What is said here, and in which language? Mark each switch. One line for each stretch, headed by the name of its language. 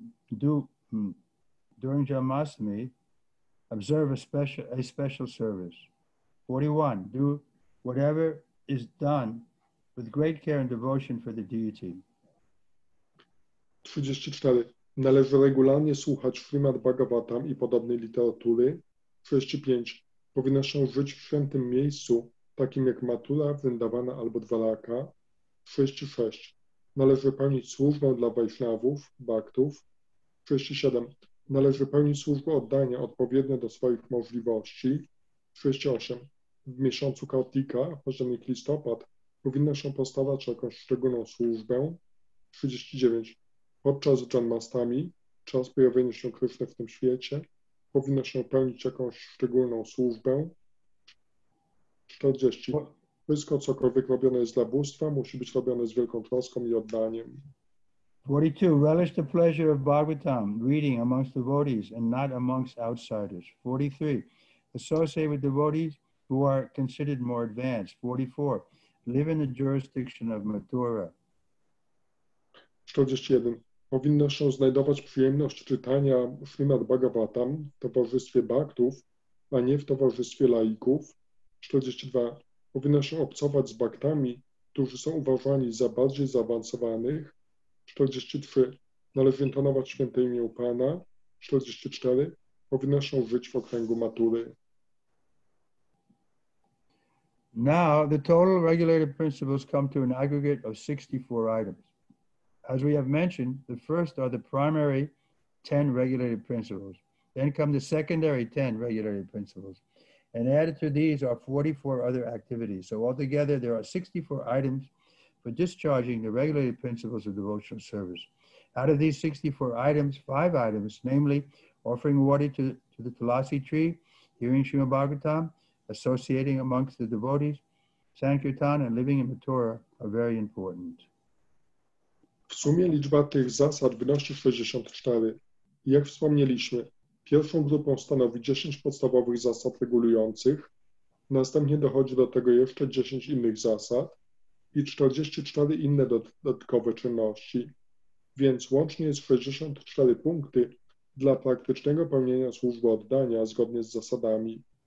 English: During Jamastami, observe a special service. 41. Do whatever is done with great care and devotion for the deity.
Polish: 34. Należy regularnie słuchać Srimad Bhagavatam i podobnej literatury. 35. Powinno się żyć w świętym miejscu, takim jak Mathura, Vrindavana albo Dwaraka. 36. Należy pełnić służbę dla Vaishnavów, Bhaktów. 37. Należy pełnić służbę oddania odpowiednio do swoich możliwości. 38. W miesiącu Kartika, październik, listopad, powinno się postarać o jakąś szczególną służbę. 39. Podczas Janmastami, czas pojawienia się Kryszny w tym świecie, powinno się pełnić jakąś szczególną służbę. 40. Wszystko, cokolwiek robione jest dla bóstwa, musi być robione z wielką troską i oddaniem.
English: 42. Relish the pleasure of Bhagavatam, reading amongst devotees and not amongst outsiders. 43. Associate with devotees who are considered more advanced. 44. Live in the jurisdiction of Mathura.
Polish: 41. Powinno się znajdować przyjemność czytania Srimad Bhagavatam w towarzystwie bhaktów, a nie w towarzystwie laików. 42. Powinno się obcować z bhaktami, którzy są uważani za bardziej zaawansowanych. 43. Należy intonować święte imię Pana. 44. Powinno się żyć w okręgu Mathury.
English: Now the total regulated principles come to an aggregate of 64 items. As we have mentioned, the first are the primary 10 regulated principles. Then come the secondary 10 regulated principles. And added to these are 44 other activities. So altogether, there are 64 items for discharging the regulated principles of devotional service. Out of these 64 items, 5 items, namely offering water to the Tulasi tree, hearing Srimad Bhagavatam, associating amongst the devotees, Sankirtan, and living in Mathura are very important.
Polish: W sumie liczba tych zasad wynosi 64. Jak wspomnieliśmy, pierwszą grupą stanowi 10 podstawowych zasad regulujących, następnie dochodzi do tego jeszcze 10 innych zasad i 44 inne dodatkowe czynności, więc łącznie jest 64 punkty dla praktycznego pełnienia służby oddania zgodnie z zasadami.